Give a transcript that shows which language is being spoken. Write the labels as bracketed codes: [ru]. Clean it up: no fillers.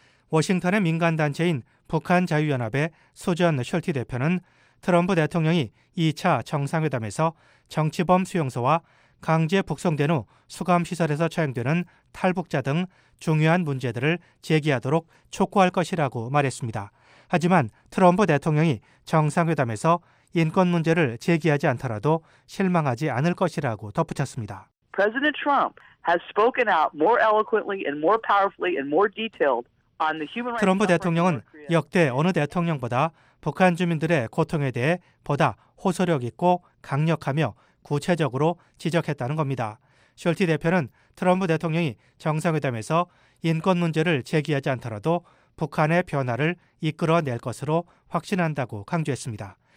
[ko] 워싱턴의 민간단체인 북한자유연합의 소전 셜티 대표는 트럼프 대통령이 2차 정상회담에서 정치범 수용소와 강제 북송된 후 수감시설에서 처형되는 탈북자 등 중요한 문제들을 제기하도록 촉구할 것이라고 말했습니다. 하지만 트럼프 대통령이 정상회담에서 인권 문제를 제기하지 않더라도 실망하지 않을 것이라고 덧붙였습니다. [en] President Trump has spoken out more eloquently and more powerfully and more detailed. [ko] 트럼프 대통령은 역대 어느 대통령보다 북한 주민들의 고통에 대해 보다 호소력 있고 강력하며 구체적으로 지적했다는 겁니다. 숄티 대표는 트럼프 대통령이 정상회담에서 인권 문제를 제기하지 않더라도 북한의 변화를 이끌어낼 것으로 확신한다고 강조했습니다.